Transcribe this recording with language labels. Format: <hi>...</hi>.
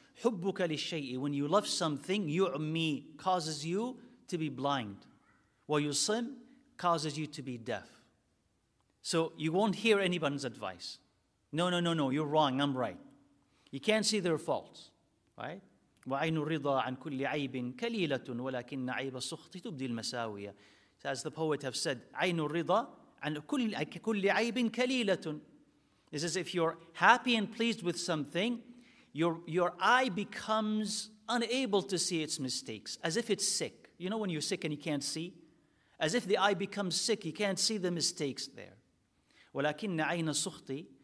<ar>حُبُّكَ لِلشَّيْءِ,</ar> <en>when you love something,</en> <ar>يُعْمِي,</ar> <en>causes you to be blind.</en> <ar>وَيُصِمْ,</ar> <en>causes you to be deaf. So you won't hear anyone's advice. No, you're wrong, I'm right. You can't see their faults, right?</en> <ar>وَعَيْنُ الرِّضَى عَنْ كُلِّ عَيْبٍ كَلِيلَةٌ وَلَكِنَّ عَيْبَ السُّخْطِ تُبْدِي الْمَسَاوِيَ.</ar> <en>As the poet have said,</en> <ar>عَيْنُ الرِّضَى عَنْ كُلِّ عَيْبٍ كَلِيلَةٌ.</ar> <en>It's as if you're happy and pleased with something, your eye becomes unable to see its mistakes, as if it's sick. You know when you're sick and you can't see? As if the eye becomes sick, you can't see the mistakes there.</en> <ar>وَلَكِنَّ عَيْنَ السُّخْطِ.</ar>